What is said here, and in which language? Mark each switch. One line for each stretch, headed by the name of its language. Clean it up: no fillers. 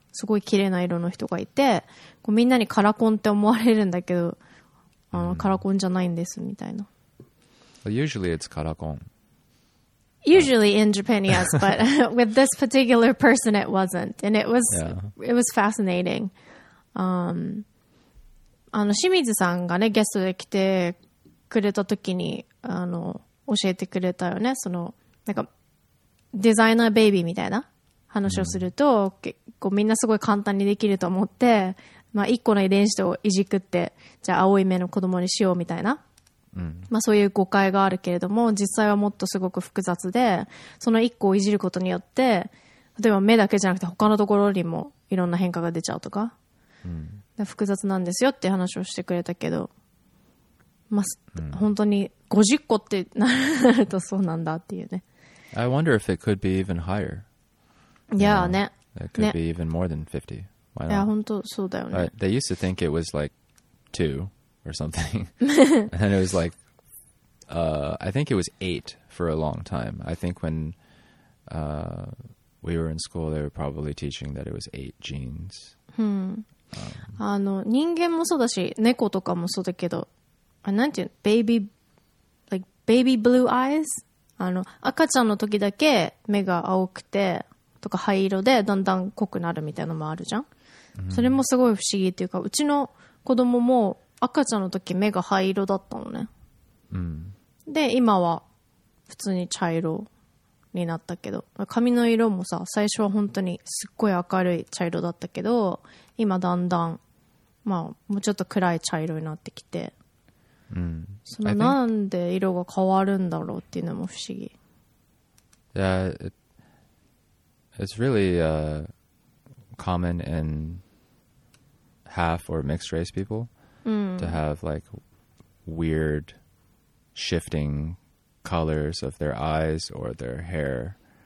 Japanese: すごい綺麗な色の人がいて、こうみんなにカラコンって思われるんだけど、あの、カラコンじゃないんですみたいな。
English: Well, usually it's カラコン。 Usually in Japan, yes, but with this particular person, it wasn't. And it was,、yeah. it was fascinating.、
Japanese: あの、清水さんがね、ゲストで来てくれた時に、あの、教えてくれたよね。その、なんか、デザイナーベイビーみたいな話をすると、こうみんなすごい簡単にできると思って、まあ、一個の遺伝子をいじくって、じゃあ青い目の子供にしようみたいな、まあ、そういう誤解があるけれども、実際はもっとすごく複雑で、その一個をいじることによって、例えば目だけじゃなくて他のところにもいろんな変化が出ちゃうとか、複雑なんですよって話をしてくれたけど、まあ、本当に50個ってなるとそうなんだっていうね。
English: I wonder if it could be even higher. Yeah, yeah. ね。 It could、ね、be even more than 50. Why not?
Japanese: いや、本当そうだよね。
English: They used to think it was like 2 or something. And it was like, I think it was 8 for a long time. I think when we were in school, they were probably teaching that it was 8 genes.、
Japanese: あの、人間もそうだし、猫とかもそうだけど、あ、なんていうの、
English: baby blue eyes?
Japanese: あの、赤ちゃんの時だけ目が青くて、とか灰色でだんだん濃くなるみたいなのもあるじゃん、それもすごい不思議っていうか、うちの子供も赤ちゃんの時目が灰色だったのね、で今は普通に茶色になったけど、髪の色もさ、最初は本当にすっごい明るい茶色だったけど、今だんだん、まあ、もうちょっと暗い茶色になってきて、そのなんで色が変わるんだろうっていうのも不思議。
English: It's really common in half or mixed race people to have like weird shifting colors of their eyes or their hair.